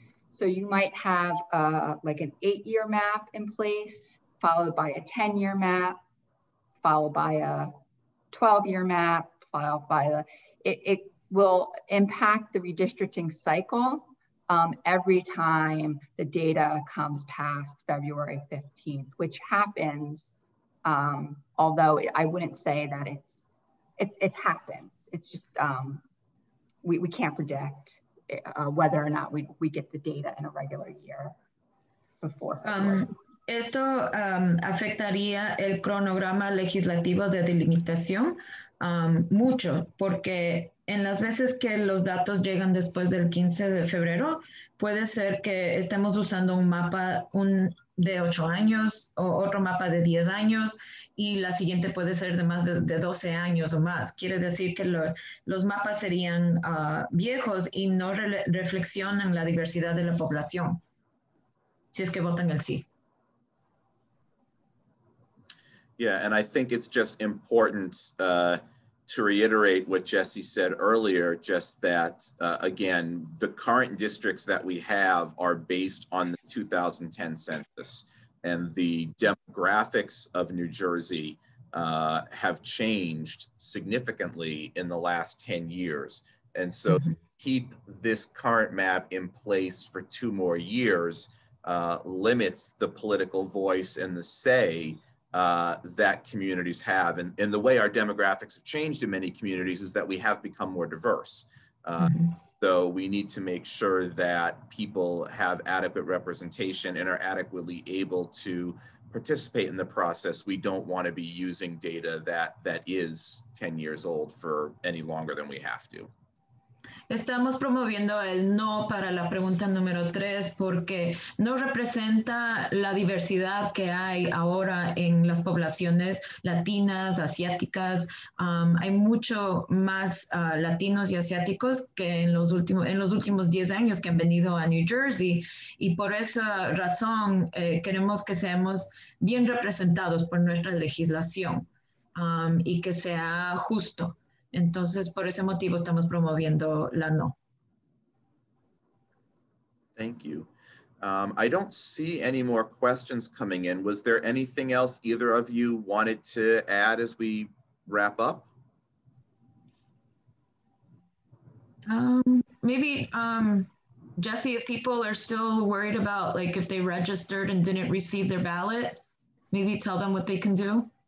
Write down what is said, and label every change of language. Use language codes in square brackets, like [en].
[en] So you might have like an 8-year map in place, followed by a 10-year map, followed by a 12-year map, followed by a, it will impact the redistricting cycle every time the data comes past February 15th, which happens, although I wouldn't say that it happens. It's just we can't predict whether or not we get the data in a regular year before. [es] Esto afectaría el cronograma legislativo de delimitación mucho, porque en las veces que los datos llegan después del 15 de febrero, puede ser que estemos usando un mapa de 8 años o otro mapa de 10 años, y la siguiente puede ser de más de 12 años o más. Quiere decir que los mapas serían viejos y no reflexionan la diversidad de la población. Si es que votan el sí. [en] Yeah, and I think it's just important to reiterate what Jesse said earlier, just that, again, the current districts that we have are based on the 2010 census, and the demographics of New Jersey have changed significantly in the last 10 years. And so keep this current map in place for two more years limits the political voice and the say that communities have. And the way our demographics have changed in many communities is that we have become more diverse. So we need to make sure that people have adequate representation and are adequately able to participate in the process. We don't want to be using data that is 10 years old for any longer than we have to. [es] Estamos promoviendo el no para la pregunta número 3 porque no representa la diversidad que hay ahora en las poblaciones latinas, asiáticas. Hay mucho más latinos y asiáticos que en los últimos 10 años que han venido a New Jersey. Y por esa razón queremos que seamos bien representados por nuestra legislación y que sea justo. Entonces, por ese motivo, estamos promoviendo la no. [en] Thank you. I don't see any more questions coming in. Was there anything else either of you wanted to add as we wrap up? Maybe, Jesse, if people are still worried about, like, if they registered and didn't receive their ballot, maybe tell them what they can do.